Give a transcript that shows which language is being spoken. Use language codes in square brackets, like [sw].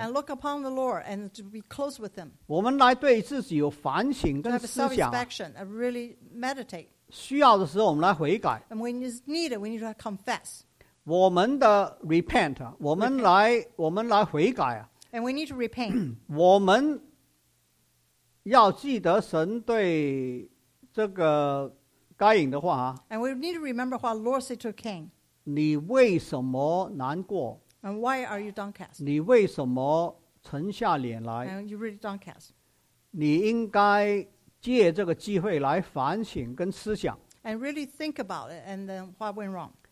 [en] And look upon the Lord and to be close with Him. [zh] 我们来对自己有反省跟思想。 [en] To have self-inspection and really meditate. [zh] 需要的时候我们来悔改。 [en] And when it's needed, we need to confess. [zh] 我们的 repent, 我们来悔改。 [en] And we need to repent. [zh] 我们要记得神对这个 该隐的话, [en] and we need to remember what Lord said to Cain. [zh] 你为什么难过? [en] And why are you downcast? [zh] 你为什么沉下脸来? [en] And you really downcast. [zh] 你应该借这个机会来反省跟思想。 [en] And really think about it and then what went wrong.